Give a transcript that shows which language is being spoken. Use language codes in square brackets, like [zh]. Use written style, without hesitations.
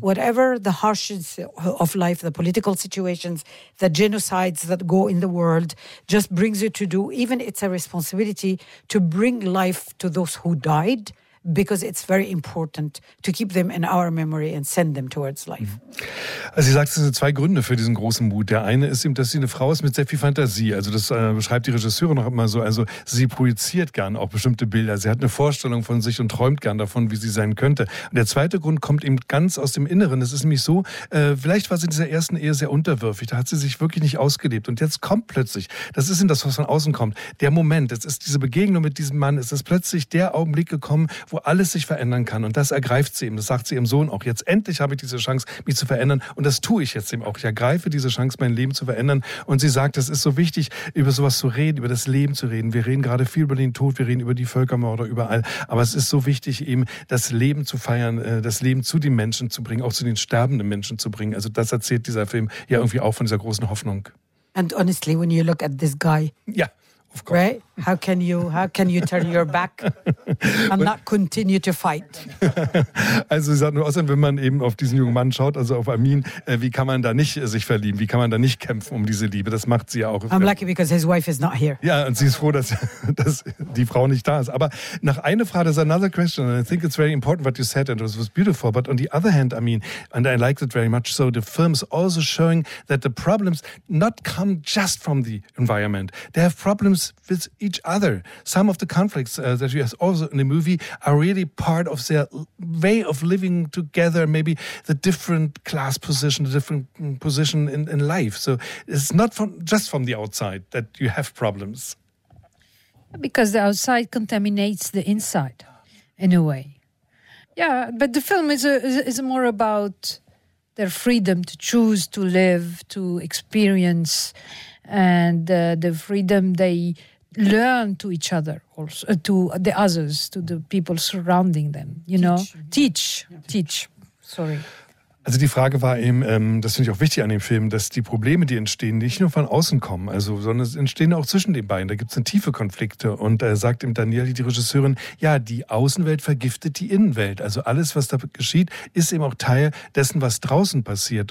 [en] Whatever the harshness of life, the political situations, the genocides that go in the world, just brings you to do, even it's a responsibility to bring life to those who died, because it's very important to keep them in our memory and send them towards life. [de] Also sie sagt, es sind zwei Gründe für diesen großen Mut. Der eine ist eben, dass sie eine Frau ist mit sehr viel Fantasie. Also das beschreibt die Regisseurin noch immer so. Also sie projiziert gern auch bestimmte Bilder. Sie hat eine Vorstellung von sich und träumt gern davon, wie sie sein könnte. Und der zweite Grund kommt eben ganz aus dem Inneren. Es ist nämlich so, vielleicht war sie in dieser ersten Ehe sehr unterwürfig. Da hat sie sich wirklich nicht ausgelebt. Und jetzt kommt plötzlich, das ist eben das, was von außen kommt, der Moment, es ist diese Begegnung mit diesem Mann, es ist plötzlich der Augenblick gekommen, wo alles sich verändern kann. Und das ergreift sie eben. Das sagt sie ihrem Sohn auch. Jetzt endlich habe ich diese Chance, mich zu verändern. Und das tue ich jetzt eben auch. Ich ergreife diese Chance, mein Leben zu verändern. Und sie sagt, es ist so wichtig, über sowas zu reden, über das Leben zu reden. Wir reden gerade viel über den Tod, wir reden über die Völkermörder überall. Aber es ist so wichtig, eben das Leben zu feiern, das Leben zu den Menschen zu bringen, auch zu den sterbenden Menschen zu bringen. Also das erzählt dieser Film ja irgendwie auch von dieser großen Hoffnung. [en] And honestly, when you look at this guy. [de] Ja. [en] Right? How can you turn your back and not continue to fight? [de] Also sie sagt nur, außerdem, wenn man eben auf diesen jungen Mann schaut, also auf Amin, wie kann man da nicht sich verlieben? Wie kann man da nicht kämpfen um diese Liebe? Das macht sie ja auch. [en] I'm lucky because his wife is not here. [de] Ja, und sie ist froh, dass die Frau nicht da ist. [en] Aber nach einer Frage, there's another question, and I think it's very important what you said, and it was beautiful, but on the other hand, Amin, and I liked it very much, so the film's also showing that the problems not come just from the environment. They have problems with each other. Some of the conflicts that you have also in the movie are really part of their way of living together, maybe the different class position, the different position in life. So it's not just from the outside that you have problems. Because the outside contaminates the inside in a way. Yeah, but the film is more about their freedom to choose to live, to experience, and the freedom they learn to each other, also to the others, to the people surrounding them, you know? Teach. [de] Also die Frage war eben, das finde ich auch wichtig an dem Film, dass die Probleme, die entstehen, nicht nur von außen kommen, also, sondern es entstehen auch zwischen den beiden. Da gibt es tiefe Konflikte. Und sagt ihm Daniele, die Regisseurin, ja, die Außenwelt vergiftet die Innenwelt. Also alles, was da geschieht, ist eben auch Teil dessen, was draußen passiert.